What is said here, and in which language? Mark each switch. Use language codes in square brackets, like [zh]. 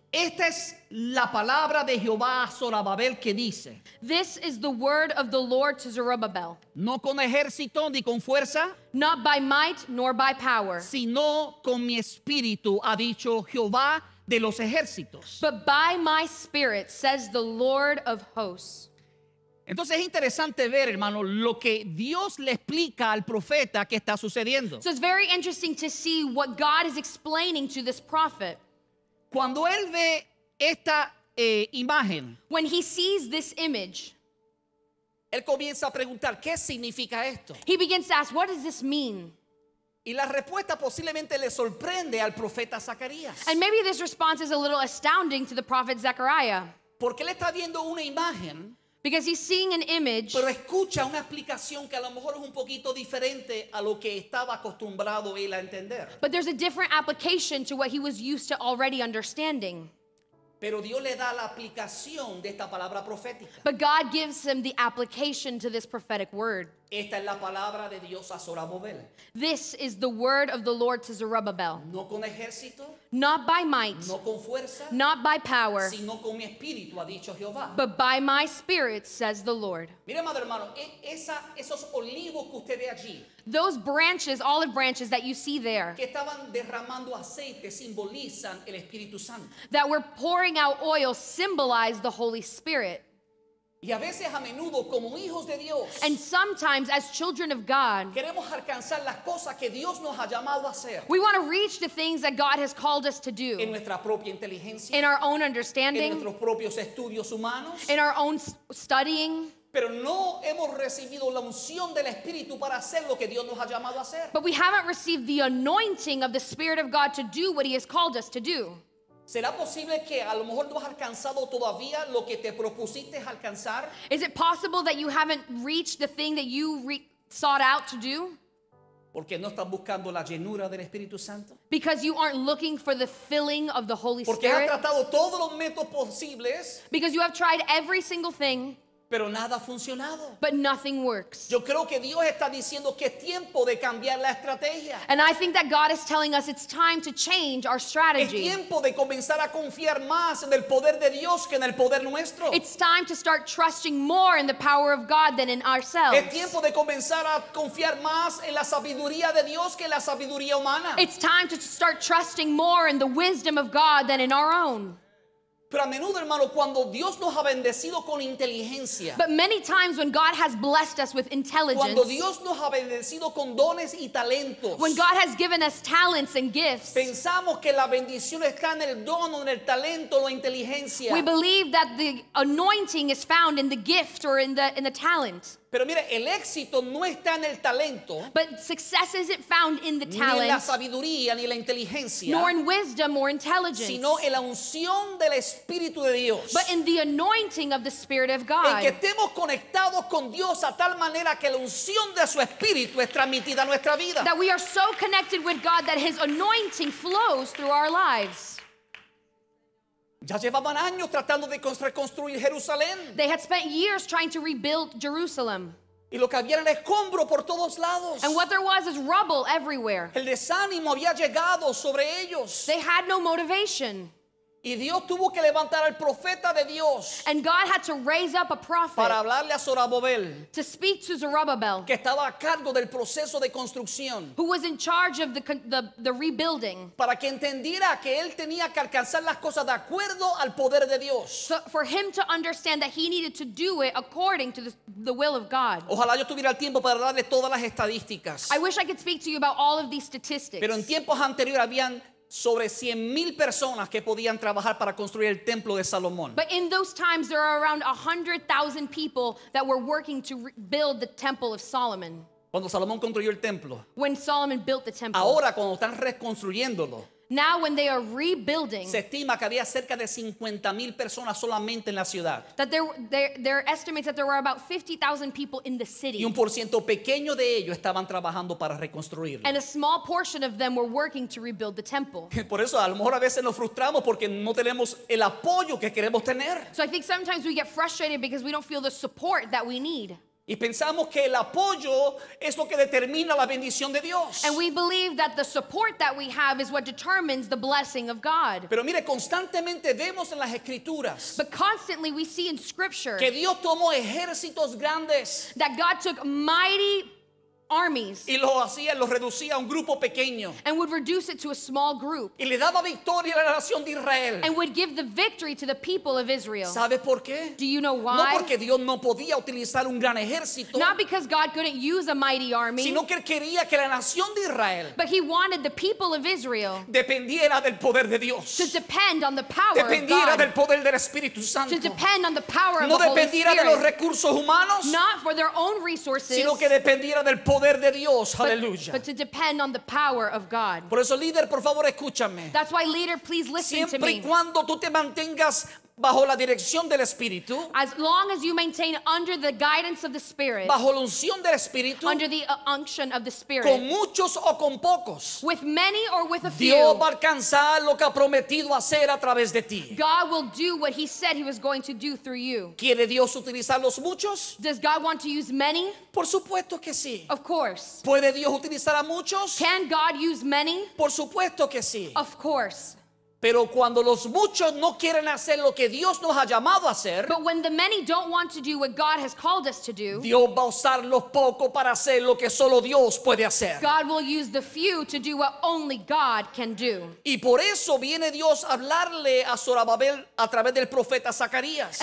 [es] Esta es la palabra de Jehová a Zorobabel que dice. [en] This is the word of the Lord to Zerubbabel. [es] No con ejército ni con fuerza. [en] Not by might nor by power. [es] Sino con mi espíritu, ha dicho Jehová de los ejércitos. [en] But by my spirit, says the Lord of hosts. [es] Entonces es interesante ver, hermano, lo que Dios le explica al profeta que está sucediendo. [en] So it's very interesting to see what God is explaining to this prophet. [es] Cuando él ve esta imagen, [en] when he sees this image, [es] él comienza a preguntar, ¿qué significa esto? [en] He begins to ask, what does this mean? [es] Y la respuesta posiblemente le sorprende al profeta Zacarías. [en] And maybe this response is a little astounding to the prophet Zechariah. [es] Porque él está viendo una imagen. [en] Because he's seeing an image. [es] Pero escucha una explicación que a lo mejor es un poquito diferente a lo que estaba acostumbrado él a entender. [en] But there's a different application to what he was used to already understanding. [es] Pero Dios le da la aplicación de esta palabra profética. [en] But God gives him the application to this prophetic word. [es] Esta es la palabra de Dios a Zorobabel. [en] This is the word of the Lord to Zerubbabel. [es] No con ejército. [en] Not by might. [es] No con fuerza. [en] Not by power. [es] Sino con mi espíritu, ha dicho Jehová. [en] But by my spirit, says the Lord. [es] Mire, madre, hermano, esos olivos que usted ve allí. [en] Those branches, olive branches that you see there, [es] que estaban derramando aceite, simbolizan el Espíritu Santo. [en] That were pouring out oil symbolize the Holy Spirit. [es] Y a veces, a menudo, como hijos de Dios, [en] and sometimes as children of God, [es] queremos alcanzar las cosas que Dios nos ha llamado a hacer. [en] We want to reach the things that God has called us to do [es] en nuestra propia inteligencia, [en] in our own understanding, [es] en nuestros propios estudios humanos, [en] in our own studying. [es] Pero no hemos recibido la unción del Espíritu para hacer lo que Dios nos ha llamado a hacer. [en] But we haven't received the anointing of the Spirit of God to do what he has called us to do. [es] ¿Será posible que a lo mejor no has alcanzado todavía lo que te propusiste alcanzar? [en] Is it possible that you haven't reached the thing that you sought out to do? [es] Porque no estás buscando la llenura del Espíritu Santo. [en] Because you aren't looking for the filling of the Holy Spirit. [es] Porque has tratado todos los métodos posibles. [en] Because you have tried every single thing. [es] Pero nada ha funcionado. [en] But nothing works. [es] Yo creo que Dios está diciendo que es tiempo de cambiar la estrategia. [en] And I think that God is telling us it's time to change our strategy. [es] Es tiempo de comenzar a confiar más en el poder de Dios que en el poder nuestro. [en] It's time to start trusting more in the power of God than in ourselves. [es] Es tiempo de comenzar a confiar más en la sabiduría de Dios que en la sabiduría humana. [en] It's time to start trusting more in the wisdom of God than in our own. [es] Pero a menudo, hermano, cuando Dios nos ha bendecido con inteligencia. [en] But many times when God has blessed us with intelligence. [es] Cuando Dios nos ha bendecido con dones y talentos. [en] When God has given us talents and gifts. [es] Pensamos que la bendición está en el don o en el talento o la inteligencia. [en] We believe that the anointing is found in the gift or in the talent. [es] Pero mire, el éxito no está en el talento. [en] But success isn't found in the talent. [es] Ni en la sabiduría ni la inteligencia. [en] Nor in wisdom or intelligence. [es] Sino en la unción del Espíritu de Dios. [en] But in the anointing of the Spirit of God. [es] En que estemos conectados con Dios a tal manera que la unción de su Espíritu es transmitida a nuestra vida. [en] That we are so connected with God that his anointing flows through our lives. [es] Ya llevaban años tratando de reconstruir Jerusalén. [en] They had spent years trying to rebuild Jerusalem. [es] Y lo que había era escombro por todos lados. [en] And what there was is rubble everywhere. [es] El desánimo había llegado sobre ellos. [en] They had no motivation. [es] Y Dios tuvo que levantar al profeta de Dios. [en] And God had to raise up a prophet. [es] Para hablarle a Zorobabel. [en] To speak to Zerubbabel. [es] Que estaba a cargo del proceso de construcción. [en] Who was in charge of the rebuilding. [es] Para que entendiera que él tenía que alcanzar las cosas de acuerdo al poder de Dios. [en] So for him to understand that he needed to do it according to the will of God. [es] Ojalá yo tuviera el tiempo para darle todas las estadísticas. [en] I wish I could speak to you about all of these statistics. [es] Pero en tiempos anteriores habían sobre 100,000 personas que podían trabajar para construir el templo de Salomón. [en] But in those times there are around 100,000 people that were working to build the temple of Solomon. [es] Cuando Salomón construyó el templo. [en] When Solomon built the temple. [es] Ahora cuando están reconstruyéndolo. [en] Now when they are rebuilding. [es] Se estima que había cerca de 50,000 personas solamente en la ciudad. [en] That there are estimates that there were about 50,000 people in the city. [es] Y un porciento pequeño de ellos estaban trabajando para reconstruirlo. [en] And a small portion of them were working to rebuild the temple. [es] Por eso a lo mejor a veces nos frustramos porque no tenemos el apoyo que queremos tener. [en] So I think sometimes we get frustrated because we don't feel the support that we need. [es] Y pensamos que el apoyo es lo que determina la bendición de Dios. [en] And we believe that the support that we have is what determines the blessing of God. [es] Pero mire, constantemente vemos en las escrituras. [en] But constantly we see in scripture. [es] Que Dios tomó ejércitos grandes. [en] That God took mighty armies. [es] Y lo hacía, lo reducía a un grupo pequeño. [en] And would reduce it to a small group. [es] Y le daba victoria a la nación de Israel. [en] And would give the victory to the people of Israel. [es] ¿Sabe por qué? [en] Do you know why? [es] No porque Dios no podía utilizar un gran ejército. [en] Not because God couldn't use a mighty army. [es] Sino que él quería que la nación de Israel. [en] But he wanted the people of Israel. [es] Dependiera del poder de Dios. [en] To depend on the power of God. [es] Dependiera del poder del Espíritu Santo. [en] To depend on the power of [es] no [en] the Holy Spirit. [es] No dependiera de los recursos humanos. [en] Not for their own resources. [es] Sino que dependiera del poder. Poder de Dios, hallelujah. [en] But to depend on the power of God. [es] Por eso, líder, por favor, escúchame. [en] That's why, leader, please listen [es] siempre [en] to me. [es] Siempre y cuando tú te mantengas bajo la dirección del Espíritu. [en] As long as you maintain under the guidance of the Spirit. [es] Bajo la unción del Espíritu. [en] Under the unction of the Spirit. [es] Con muchos o con pocos. [en] With many or with a few. [es] Dios va a alcanzar lo que ha prometido hacer a través de ti. [en] God will do what he said he was going to do through you. [es] ¿Quiere Dios utilizar los muchos? [en] Does God want to use many? [es] Por supuesto que sí. [en] Of course. [es] ¿Puede Dios utilizar a muchos? [en] Can God use many? [es] Por supuesto que sí. [en] Of course. [es] Pero cuando los muchos no quieren hacer lo que Dios nos ha llamado a hacer, [en] but when the many don't want to do what God has called us to do, [es] Dios va a usar los pocos para hacer lo que solo Dios puede hacer. [en] God will use the few to do what only God can do. [es] Y por eso viene Dios a hablarle a Zorobabel a través del profeta Zacarías.